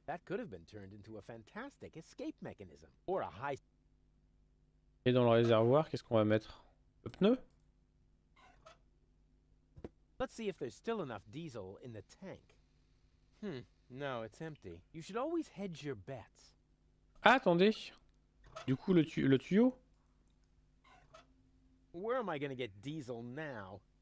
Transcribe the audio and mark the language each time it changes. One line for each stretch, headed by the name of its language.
English: That could have been turned into a fantastic escape mechanism or a high.
French: Et dans le réservoir, qu'est-ce qu'on va mettre? Le pneu?
English: Let's see if there's still enough diesel in the tank. No, it's empty. You should always hedge your bets.
French: Attendez. Du coup le tuyau.
English: Where am I gonna get diesel now?